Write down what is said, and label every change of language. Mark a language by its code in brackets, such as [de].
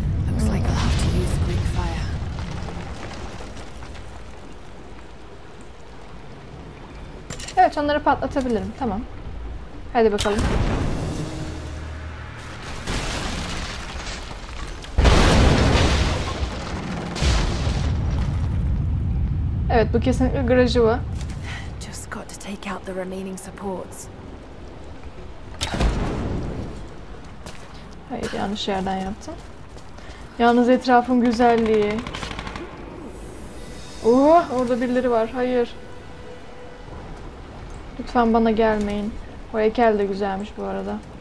[en] Looks like I'll have to use the Greek fire. [tr] Evet, onları patlatabilirim. Tamam. Hadi bakalım. Evet, bu kesinlikle garajı var. [en] Just got to take out the remaining supports. [tr] Hayır, yanlış yerden yaptım. Yalnız etrafın güzelliği. Oo, orada birileri var. Hayır. Lütfen bana gelmeyin. O heykel de güzelmiş bu arada.